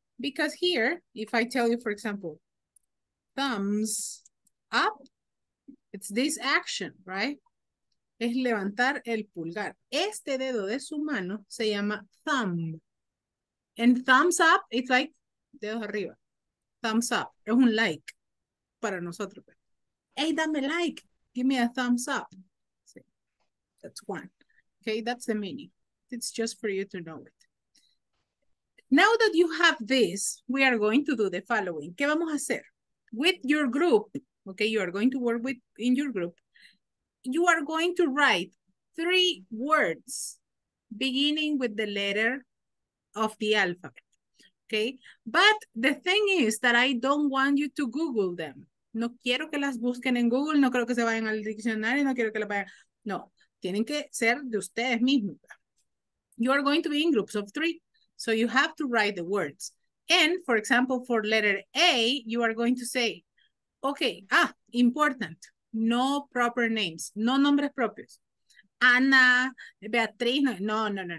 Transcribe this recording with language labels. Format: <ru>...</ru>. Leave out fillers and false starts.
<en>Because here, if I tell you, for example, thumbs up, it's this action, right?</en> <es>Es levantar el pulgar. Este dedo de su mano se llama thumb.</es> <en>And thumbs up, it's like</en> <es>dedos arriba.</es> <en>Thumbs up,</en> <es>es un like para nosotros.</es> <en>Hey,</en> <es>dame like,</es> <en>give me a thumbs up. That's one. Okay, that's the meaning. It's just for you to know it. Now that you have this, we are going to do the following.</en> <es>¿Qué vamos a hacer?</es> <en>With your group, okay, you are going to work with in your group. You are going to write three words beginning with the letter of the alphabet, okay? But the thing is that I don't want you to Google them.</en> <es>No quiero que las busquen en Google, no creo que se vayan al diccionario, no quiero que las vayan. No, tienen que ser de ustedes mismos.</es> <en>You are going to be in groups of three. So you have to write the words. And for example, for letter A, you are going to say, okay, ah, important. No proper names,</en> <es>no nombres propios.</es> <en>Ana, Beatriz, no.</en>